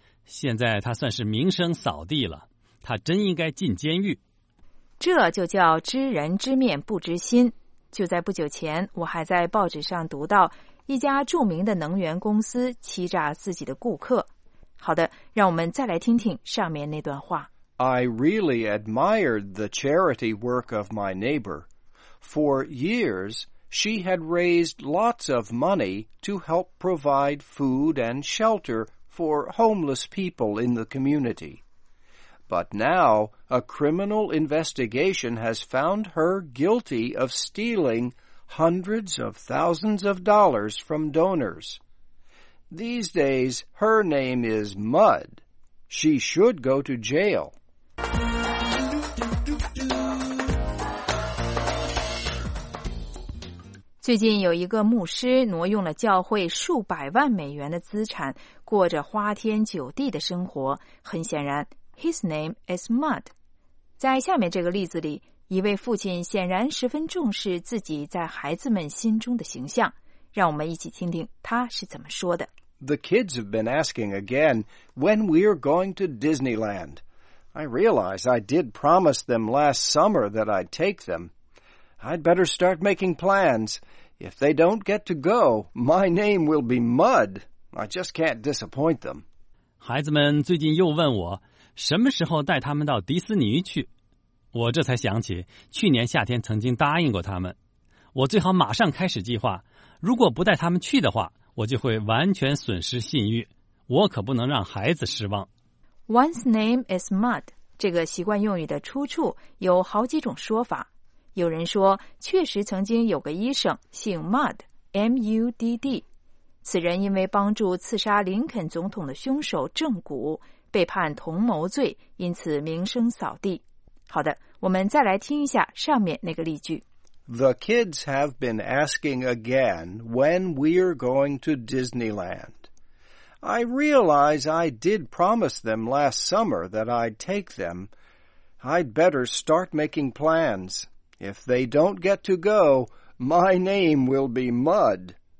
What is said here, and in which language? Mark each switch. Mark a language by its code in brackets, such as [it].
[zh] 现在他算是名声扫地了，他真应该进监狱。这就叫知人知面不知心。就在不久前，我还在报纸上读到一家著名的能源公司欺诈自己的顾客。好的，让我们再来听听上面那段话。 [en] I really admired the charity work of my neighbor. For years, she had raised lots of money to help provide food and shelter for homeless people in the community. But now, a criminal investigation has found her guilty of stealing hundreds of thousands of dollars from donors. These days, her name is Mud. She should go to jail. [zh] 最近有一个牧师挪用了教会数百万美元的资产，过着花天酒地的生活。很显然 [en] ，his name is Mud。 [zh] 在下面这个例子里，一位父亲显然十分重视自己在孩子们心中的形象。让我们一起听听他是怎么说的。 [en] The kids have been asking again when we are going to Disneyland. I realize I did promise them last summer that I'd take them. I'd better start making plans. If they don't get to go, my name will be Mud. I just can't disappoint them. [zh] 孩子们最近又问我什么时候带他们到迪斯尼去。我这才想起去年夏天曾经答应过他们，我最好马上开始计划。如果不带他们去的话，我就会完全损失信誉。我可不能让孩子失望。 [en] One's name is Mud. [zh] 这个习惯用语的出处有好几种说法。有人说，确实曾经有个医生姓 Mud, M-U-D-D。此人因为帮助刺杀林肯总统的凶手正骨，被判同谋罪，因此名声扫地。好的，我们再来听一下上面那个例句。 [en] The kids have been asking again when we're going to Disneyland. I realize I did promise them last summer that I'd take them. I'd better start making plans. If they don't get to go, my name will be Mud.